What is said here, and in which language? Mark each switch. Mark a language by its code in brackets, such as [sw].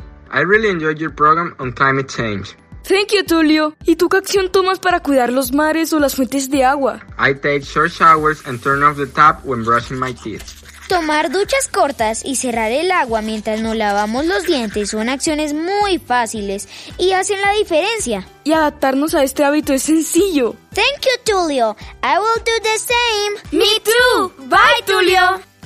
[en] I really enjoyed your program on climate change. Thank you, Julio. [es] ¿Y tú qué acción tomas para cuidar los mares o las fuentes de agua? [en] I take short showers and turn off the tap when brushing my teeth. [es] Tomar duchas cortas y cerrar el agua mientras nos lavamos los dientes son acciones muy fáciles y hacen la diferencia. Y adaptarnos a este hábito es sencillo. [en] Thank you, Julio. I will do the same. Me too. Bye, Julio.